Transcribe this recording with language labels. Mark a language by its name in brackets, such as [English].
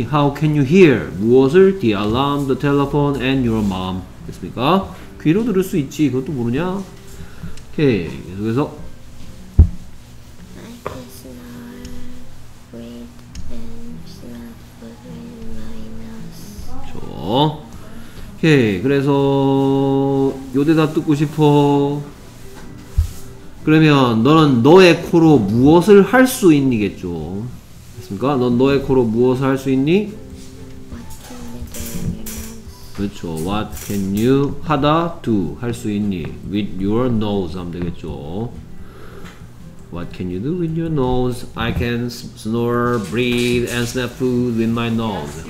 [English] How can you hear? [Korean] 무엇을? [English] The alarm, the telephone, and your mom. [Korean] 됐습니까? 귀로 들을 수 있지. 그것도 모르냐? 오케이. 계속해서. [English] I can smell wind and smell food in my nose. [Korean] 좋아. 오케이. 그래서 요 대답 듣고 싶어. 그러면 너는 너의 코로 무엇을 할 수 있니겠죠? 됐습니까? 넌 너의 코로 무엇을 할 수 있니? [English] What can you do? [Korean] 그렇죠. [English] What can you [Korean] 하다 [English] do [Korean] 할 수 있니? [English] With your nose [Korean] 하면 되겠죠. [English] What can you do with your nose? I can snore, breathe, and snap food with my nose.